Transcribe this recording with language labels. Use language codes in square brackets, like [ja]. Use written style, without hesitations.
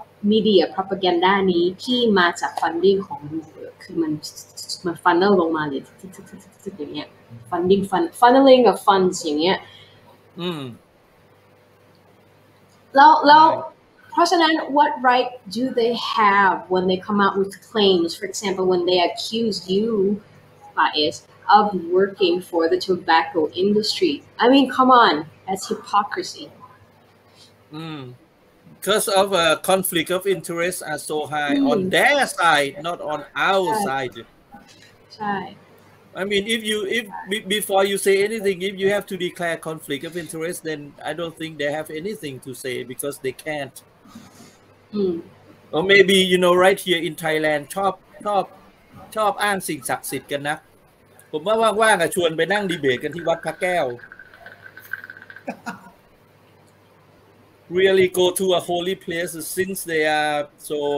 [th] มีเดียโพรพาแกนดานี้ที่มาจากฟันดิ้งของคือมันฟันเนลลงมาเลยทุกๆๆๆอย่างเงี้ยฟันดิ้งฟันเนลลิ่งกับฟันอย่างเงี้ยแล้วเพราะฉะนั้น [en] what right do they have when they come out with claims for example when they accuse you Faiz of working for the tobacco industry I mean come on that's hypocrisy Because of a conflict of interest are so high on their side, not on our side. I mean, if before you say anything, if you have to declare conflict of interest, then I don't think they have anything to say because they can't. Or maybe, you know, right here in Thailand, [th] ชอบอ้างสิ่งศักดิ์สิทธิ์กันนะผมว่าว่างๆชวนไปนั่งดีเบตกันที่วัดพระแก้ว [en] Really go to a holy place since they are so